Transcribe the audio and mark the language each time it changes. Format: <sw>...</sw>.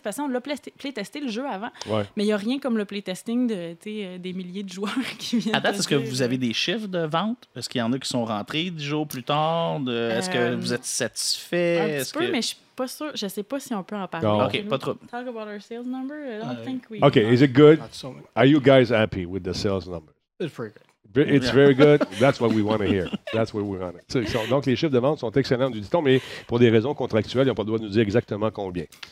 <fr>Parce que on l'a playtesté le jeu avant, ouais. Mais il n'y a rien comme le playtesting des milliers de joueurs qui viennent. À date, est-ce que vous avez des chiffres de vente? Est-ce qu'il y en a qui sont rentrés 10 jours plus tard? Est-ce que vous êtes satisfait? Mais je suis pas sûr. Je sais pas si on peut en parler. OK, pas trop.</fr> <en>Talk about our sales number? I don't think we... OK, is it good? Are you guys happy with the sales number? It's pretty good. It's very good. That's what we want to hear. That's what we want to hear.</en> <fr>Donc, les chiffres de vente sont excellents, dit-on, mais pour des raisons contractuelles, ils n'ont pas le droit de nous dire exactement combien.</fr>